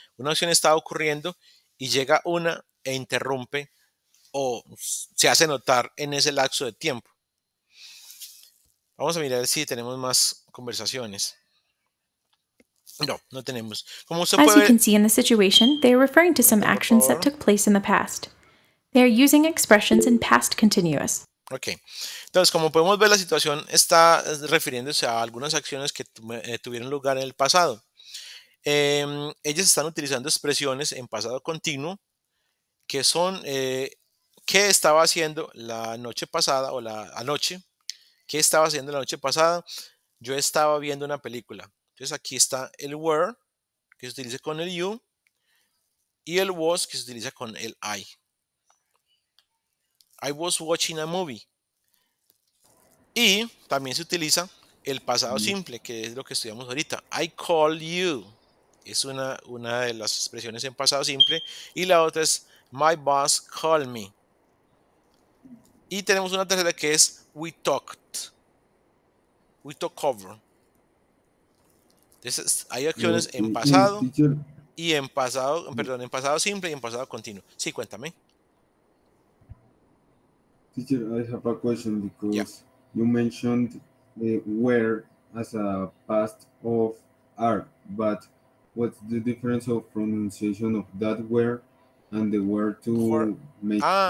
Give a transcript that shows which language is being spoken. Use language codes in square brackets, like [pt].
[es] Una acción está ocurriendo y llega una e interrumpe o se hace notar en ese lapso de tiempo. Vamos a mirar si tenemos más conversaciones. No, no tenemos. Como usted [en] As [es] puede [en] you can see in the situation, they are referring to some actions that took place in the past. They are using expressions in past continuous. Ok. [es] Entonces, como podemos ver, la situación está refiriéndose a algunas acciones que tuvieron lugar en el pasado. Ellas están utilizando expresiones en pasado continuo que son ¿qué estaba haciendo la noche pasada o la anoche? ¿Qué estaba haciendo la noche pasada? Yo estaba viendo una película. Entonces aquí está el were, que se utiliza con el you, y el was, que se utiliza con el I. [en] I was watching a movie. [es] Y también se utiliza el pasado simple, que es lo que estudiamos ahorita. [en] I call you. [es] Es una de las expresiones en pasado simple. Y la otra es [en] my boss called me. [es] Y tenemos una tercera que es [en] we talked. We talk over. [es] Entonces, hay acciones en pasado y en pasado, perdón, en pasado simple y en pasado continuo. Sí, cuéntame. [en] Teacher, I have a question because you mentioned where as a past of are, but what's the difference of pronunciation of that where and the where to For, make ah,